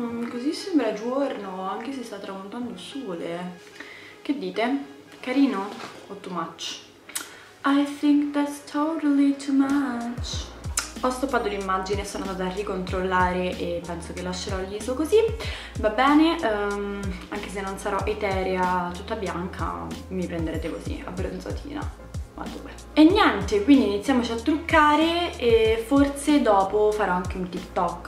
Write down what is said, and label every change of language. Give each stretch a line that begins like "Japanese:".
Italian: Così sembra giorno, anche se sta tramontando il sole. Che dite? Carino o
English: too much? I think that's totally too much.
Italian: Ho stoppato l'immagine, sono andata a ricontrollare e penso che lascerò gli ISO così. Va bene, anche se non sarò eterea tutta bianca, mi prenderete così, abbronzatina. Ma dove? E niente, quindi iniziamoci a truccare e forse dopo farò anche un TikTok.